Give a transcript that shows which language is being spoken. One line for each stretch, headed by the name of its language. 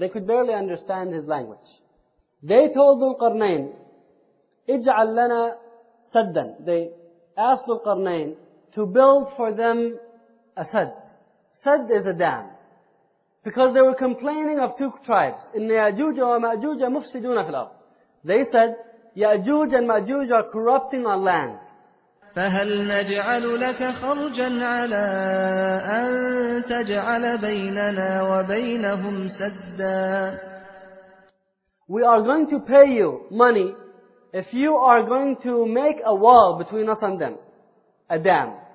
English: They could barely understand his language. They told Dhul Qarnayn,
Arabic: اجعل لنا سدا.
English: They asked Dhul Qarnayn to build for them a sad. Sad is a dam. Because they were complaining of two tribes.
Arabic: إن يأجوج ومأجوج مفسدون في الأرض.
English: They said, يأجوج and مأجوج are corrupting our land.
Arabic: فَهَلْ نَجْعَلُ لَكَ خَرْجًا عَلَىٰ أَن تَجْعَلَ بَيْنَنَا وَبَيْنَهُمْ سَدًّا
English: We are going to pay you money if you are going to make a wall between us and them, a dam.